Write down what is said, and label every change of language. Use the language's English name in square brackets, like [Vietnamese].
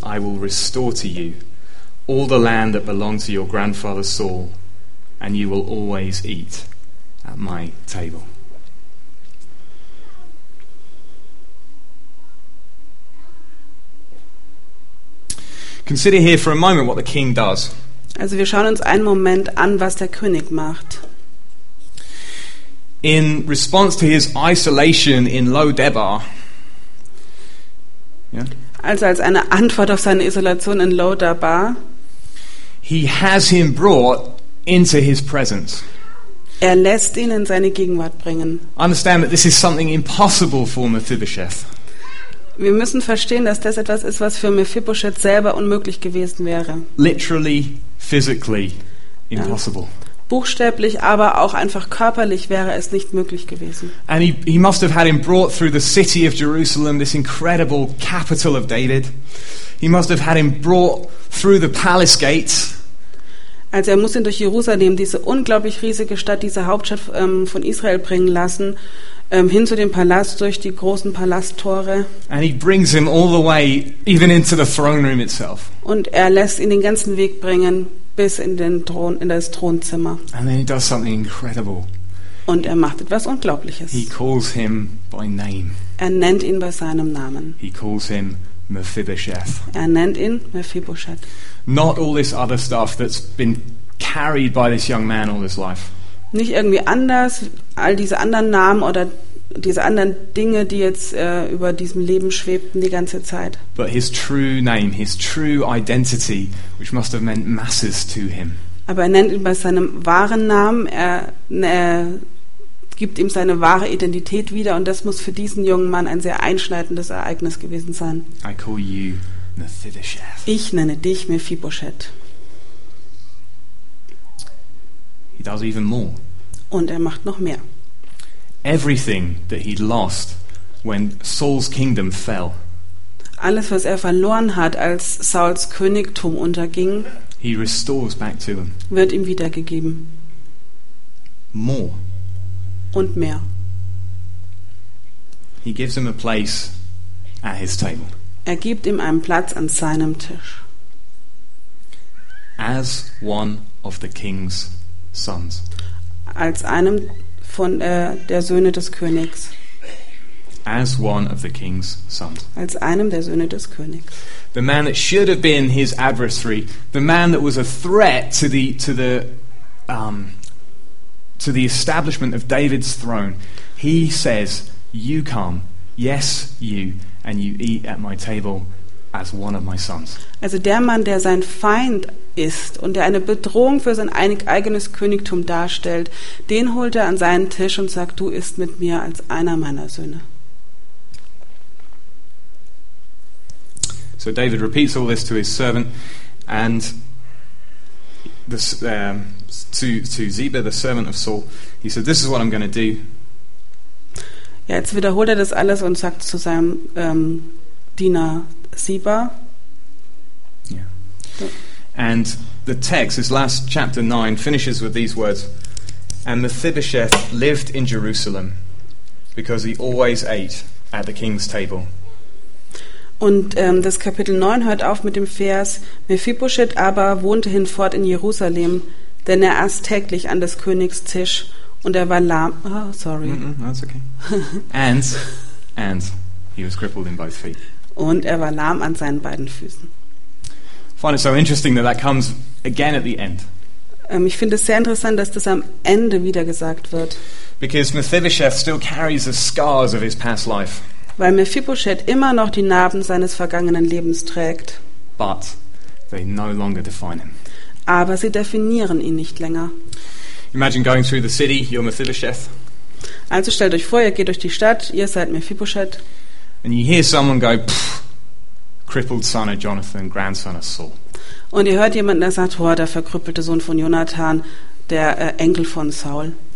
[English] I will restore to you all the land that belonged to your grandfather Saul, and you will always eat at my table. Consider here for a moment what the king does. [German] Also wir schauen uns einen Moment an, was der König macht. [English] In response to his isolation in Lodebar. [German] Yeah, also als eine Antwort auf seine Isolation in Lodebar. [English] He has him brought into his presence. [German] Er lässt ihn in seine Gegenwart bringen. [English] Understand that this is something impossible for Mephibosheth. [German] Wir müssen verstehen, dass das etwas ist, was für Mephibosheth selber unmöglich gewesen wäre. [English] Literally, physically impossible. [German] Ja. Buchstäblich, aber auch einfach körperlich wäre es nicht möglich gewesen. [English] And he must have had him brought through the city of Jerusalem, this incredible capital of David. He must have had him brought through the palace gates. [German] Also er muss ihn durch Jerusalem, diese unglaublich riesige Stadt, diese Hauptstadt von Israel bringen lassen, hin zu dem Palast, durch die großen Palasttore. [English] And he brings him all the way, even into the throne room itself. [German] Und er lässt ihn den ganzen Weg bringen, bis in den Thron, in das Thronzimmer. [English] And then he does something incredible. [German] Und er macht etwas Unglaubliches. [English] He calls him by name. [German] Er nennt ihn bei seinem Namen. [English] He calls him Mephibosheth. [German] Er nennt ihn Mephibosheth. [English] Not all this other stuff that's been carried by this young man all his life. [German] Nicht irgendwie anders, all diese anderen Namen oder diese anderen Dinge, die jetzt über diesem Leben schwebten die ganze Zeit. [English] But his true name, his true identity, which must have meant masses to him. [German] Aber er nennt ihn bei seinem wahren Namen, er gibt ihm seine wahre Identität wieder und das muss für diesen jungen Mann ein sehr einschneidendes Ereignis gewesen sein. [English] I call you Mephibosheth. [German] Ich nenne dich Mephibosheth. [English] He does even more. [German] Und er macht noch mehr. [English] Everything that he lost when Saul's kingdom fell. [German] Alles, was er verloren hat, als Sauls Königtum unterging, [English] he restores back to him. [German] Wird ihm wiedergegeben. [English] More. [German] Und mehr. [English] He gives him a place at his table. [German] Er gibt ihm einen Platz an seinem Tisch. [English] As one of the king's sons. [German] Als einem von der Söhne des Königs. [English] As one of the king's sons. [German] Als einem der Söhne des Königs. [English] The man that should have been his adversary, the man that was a threat to the establishment of David's throne. He says, "You come, yes, you, and you eat at my table as one of my sons. [German] Also der Mann, der sein Feind ist und der eine Bedrohung für sein eigenes Königtum darstellt, den holt er an seinen Tisch und sagt, du isst mit mir als einer meiner Söhne. [English] So David repeats all this to his servant and this, to Ziba, the servant of Saul. He said, this is what I'm going to do. [German] Ja, jetzt wiederholt er das alles und sagt zu seinem Diener Ziba. [English] Yeah. And the text, this last chapter 9, finishes with these words. And Mephibosheth lived in Jerusalem because he always ate at the king's table. [German] Und das Kapitel 9 hört auf mit dem Vers, Mephibosheth aber wohnte hinfort in Jerusalem, denn er aß täglich an des Königs Tisch und er war lahm. [English] Oh, sorry. That's okay. And he was crippled in both feet. [German] Und er war lahm an seinen beiden Füßen. [English] I find it so interesting that that comes again at the end. [German] Ich finde es sehr interessant, dass das am Ende wieder gesagt wird. [English] Because Mephibosheth still carries the scars of his past life. [German] Weil Mephibosheth immer noch die Narben seines vergangenen Lebens trägt. [English] But they no longer define him. [German] Aber sie definieren ihn nicht länger. [English] Imagine going through the city, you're Mephibosheth. [German] Also stellt euch vor, ihr geht durch die Stadt, ihr seid Mephibosheth. [English] And you hear someone go, crippled son of Jonathan, grandson of Saul. [German] Und ihr hört jemanden, der sagt, oh, der verkrüppelte Sohn von Jonathan, der Enkel von Saul.